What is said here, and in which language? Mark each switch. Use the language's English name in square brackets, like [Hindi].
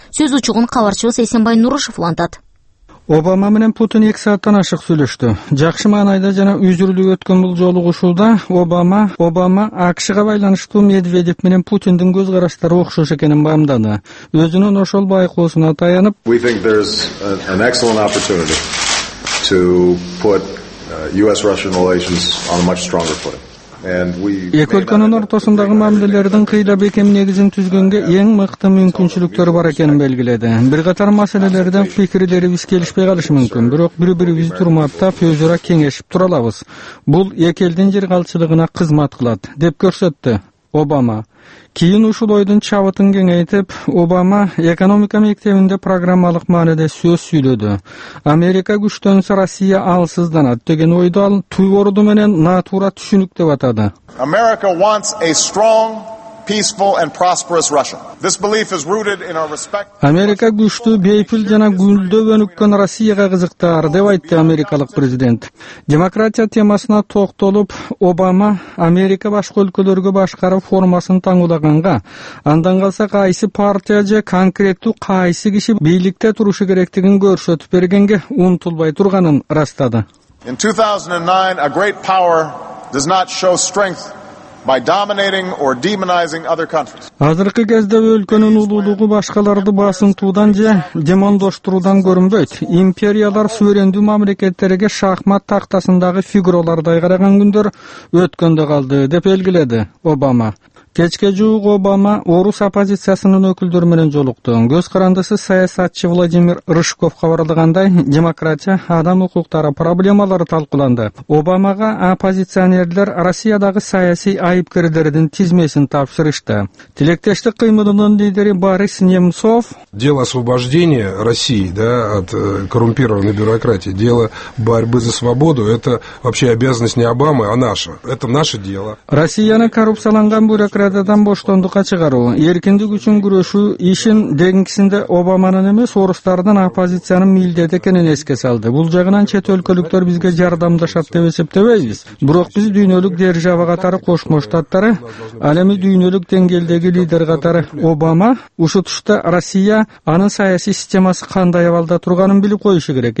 [Kyrgyz] Сөз учугун кабарчыбыз Эсенбай Нурушев улантат. Обама менен Путин 2 сааттан ашык сүйлөштү. Жакшы маанайда жана үзүрлүк өткөн бул жолугушууда Обама АКШга байланыштуу Медведев менен Путиндин көз караштары окшош экенин баамдады. Өзүнүн ошол байкоосуна таянып, [English] We think there's an excellent opportunity to put US-Russian relations on a much stronger footing. [Kyrgyz] Эки өлкөнүн ортосундагы мамилелердин кыйла бекем негизин түзгөнгө эң мыкты мүмкүнчүлүктөр бар экенин белгиледи. Бир катар маселелерден пикирлерибиз келишпей калышы мүмкүн, бирок бири бирибизди турмактап, өзара кеңешип тура алабыз. Бул эки элдин жыргалчылыгына кызмат кылат деп көрсөттү Обама. Кийин ушул ойдун чабытын кеңейтип, Обама экономика мектебинде программалык мааниде сөз сүйлөдү. Америка күчтөнсө Россия алсызданат деген ойду ал туйгоруду менен натура түшүнүк деп атады. [English] America wants a strong, peaceful and prosperous Russia. This belief is rooted in our respect. [Kyrgyz] Америка күчтүү, бейпил жана гүлдөбөнүккөн Россияга кызыктар деп айтты Америкалык президент. Демократия темасына токтолуп, Обама Америка башка өлкөлөргө башкаруу формасын таңдаганга, андан калса кайсы партия же конкреттүү кайсы киши бийликте турушу керектигин көрсөтүп бергенге умтулбай турганын ырастады. [English] In 2009, a great power does not show strength by dominating or demonizing other countries. [Kyrgyz] Азыркы кезде өлкөнүн улуулугу башкаларды басынтуудан же демондоштуруудан көрүнбөйт. Империялар суверендүү мамлекеттерге шахмат тактасындагы фигуралардай караган күндөр өткөндө калды деп белгиледи Обама. Кечке жуук Обама орус оппозициясынын өкүлдөрү менен жолукту. Көз карандысы саясатчы Владимир Рыжков кабарлагандай, демократия, адам укуктары проблемалары талкууланды. Обамага оппозиционерлер Россиядагы саясий айыпкерлердин тизмесин тапшырышты. Тилектештик кыймылынын лидери Борис Немцов: [Russian] «Дело освобождения России, да, от коррумпированной бюрократии, дело борьбы за свободу — это вообще обязанность не Обамы, а наша. Это наше дело». [Kyrgyz] Россияны коррупцияланган бюрократиядан боштондукка чыгаруу, эркиндик үчүн күрөшүү ишин деңгисинде Обаманын эмес, орустардын оппозициянын милдети экенин эске салды. Бул жагынан чет өлкөлүктөр бизге жардамдашат деп эсептебейбиз. Бирок биз дүйнөлүк держава катары, Кошмо Штаттары, ал эми дүйнөлүк деңгээлдеги лидер катары Обама ушутушта Россия анын саясий системасы кандай абалда турганын билип коюшу керек.